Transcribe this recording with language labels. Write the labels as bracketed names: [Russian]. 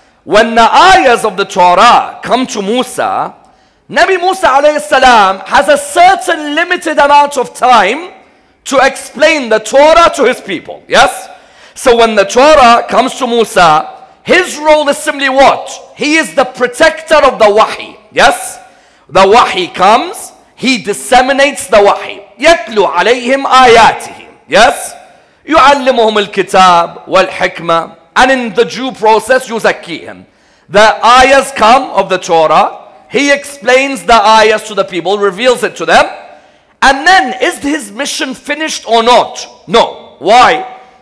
[English] When the ayahs of the Torah come to Musa, Nabi Musa alayhi salam has a certain limited amount of time to explain the Torah to his people. Yes? So when the Torah comes to Musa, his role is simply what? He is the protector of the wahi. Yes? The wahi comes, he disseminates the wahi. [Arabic] يَتْلُوا عَلَيْهِمْ آيَاتِهِمْ [English] Yes? [Arabic] يُعَلِّمُهُمُ الْكِتَابُ وَالْحِكْمَةُ [English] And in the due process, [Arabic] يُزَكِّيهِمْ [English] The ayahs come of the Torah, he explains the ayahs to the people, reveals it to them. And then, is his mission finished or not? No. Why?